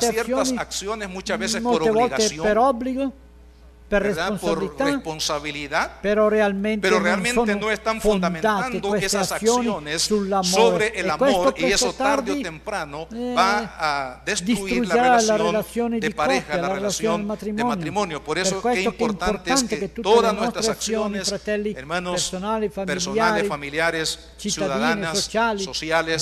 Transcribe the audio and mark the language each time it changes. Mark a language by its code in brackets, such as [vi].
[es] ciertas acciones muchas veces por obligación, [it] per obbligo, per responsabilità, [es] por responsabilidad, pero realmente no están fundamentando esas acciones sobre el amor, y eso tarde o temprano va a destruir la relación de pareja, la relación de matrimonio. Por eso qué importante es que todas nuestras acciones, hermanos, personales, familiares, ciudadanas, sociales,